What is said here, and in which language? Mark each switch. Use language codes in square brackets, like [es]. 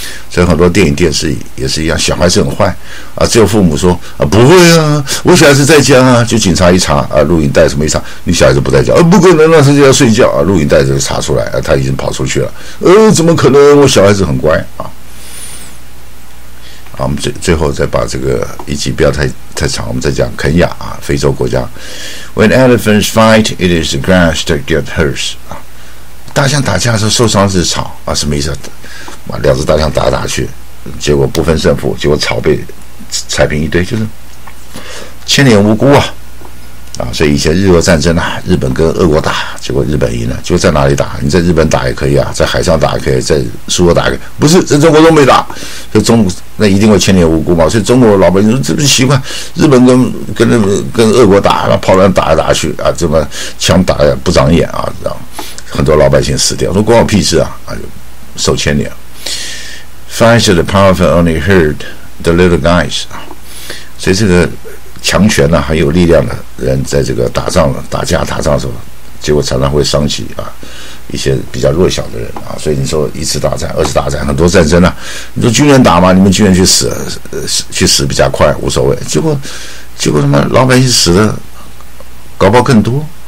[zh] 所以很多电影电视也是一样，小孩是很坏啊，只有父母说啊不会啊，我小孩子在家啊，就警察一查啊，录影带什么一查，你小孩子不在家啊，不可能啊，他就要睡觉啊，录影带就查出来啊，他已经跑出去了，怎么可能，我小孩子很乖啊。好，我们最后再把这个一集不要太长，我们再讲肯亚啊，非洲国家。 [en] When elephants fight, it is the grass that get hurt. [zh] 啊，大象打架的时候受伤是草啊，什么意思？啊，两只大象打打去，结果不分胜负，结果草被踩平一堆，就是牵连无辜啊。啊，所以以前日俄战争啊，日本跟俄国打，结果日本赢了。就在哪里打？你在日本打也可以啊，在海上打也可以，在苏俄打也可以，不是在中国都没打，所以中那一定会牵连无辜嘛。所以中国老百姓说这不是习惯，日本跟俄国打，那炮弹打来打去啊，这么枪打不长眼啊，知道？很多老百姓死掉，说关我屁事啊，啊，就受牵连。 [en] Fight the powerful only hurt the little guys [zh] 啊，所以这个。强权呢、啊，很有力量的人，在这个打仗、打架、打仗的时候，结果常常会伤及啊一些比较弱小的人啊。所以你说一次打仗、二次打仗，很多战争呢、啊，你说军人打嘛，你们军人去死，去死比较快，无所谓。结果他妈老百姓死的，搞不好更多。